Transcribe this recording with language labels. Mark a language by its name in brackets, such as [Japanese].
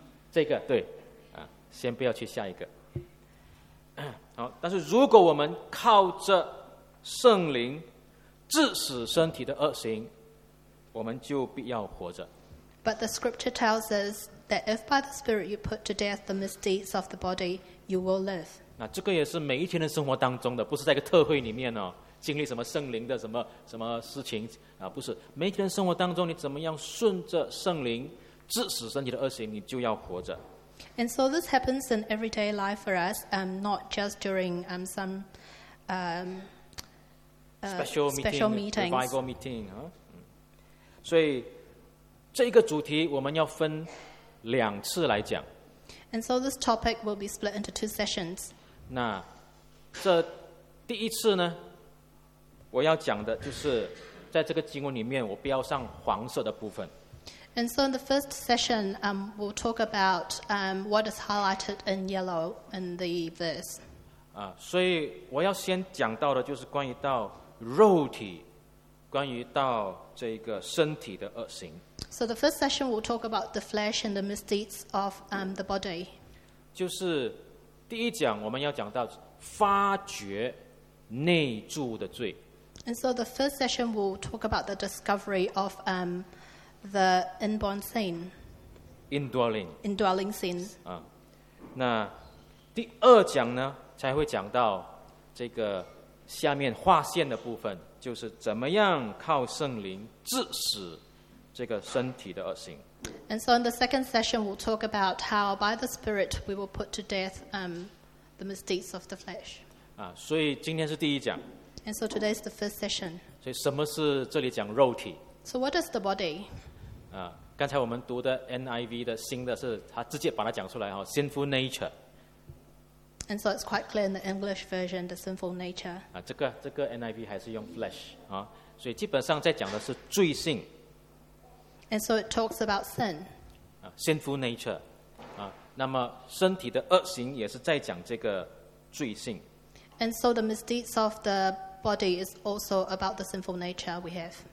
[Chinese] 但是圣经讲说，如果我们先不要这个前面一个，对，前面上一个，对，这个对，先不要去下一个。好，但是如果我们靠着圣灵致死身体的恶行，我们就必要活着。 [English] But the scripture tells us that if by the spirit you put to death the misdeeds of the body, you will live. [Chinese] 那这个也是每一天的生活当中的，不是在一个特会里面哦，经历什么圣灵的什么什么事情啊，不是，每天生活当中你怎么样顺着圣灵致使身体的恶行，你就要活着。 [English] And so this happens in everyday life for us, not just during some special meetings, revival meeting 啊。 [Chinese] 所以这个主题我们要分两次来讲。 [English] And so this topic will be split into two sessions. [Chinese] 那这第一次呢，我要讲的就是在这个经文里面，我标上黄色的部分。 [English] And so in the first session, we'll talk about what is highlighted in yellow in the verse. [Chinese] 啊，所以我要先讲到的就是关于到肉体，关于到这个身体的恶行。 [English] So the first session we'll talk about the flesh and the misdeeds of the body. [Chinese] 就是第一讲我们要讲到发掘内住的罪。 [English] And so the first session we'll talk about the discovery of the inborn sin. Indwelling sin. [Chinese] 啊，那第二讲呢才会讲到这个下面划线的部分，就是怎么样靠圣灵致使这个身体的恶行。 [English] And so in the second session, we'll talk about how by the Spirit we will put to death the misdeeds of the flesh. [Chinese] 啊，所以今天是第一讲。 [English] And so today is the first session. [Chinese] 所以什么是这里讲肉体 [English] ？So what is the body？ [Chinese] 啊，刚才我们读的 NIV 的新的是它直接把它讲出来哈、哦、， [English] sinful nature。 And so it's quite clear in the English version, the sinful nature. [Chinese] 啊，这个 NIV 还是用 flesh 啊，所以基本上在讲的是罪性。 [English] And so it talks about sin. Sinful nature. [Chinese] 啊，那么身体的恶行也是在讲这个罪性。 [English] And so the misdeeds of the body is also about the sinful nature we have.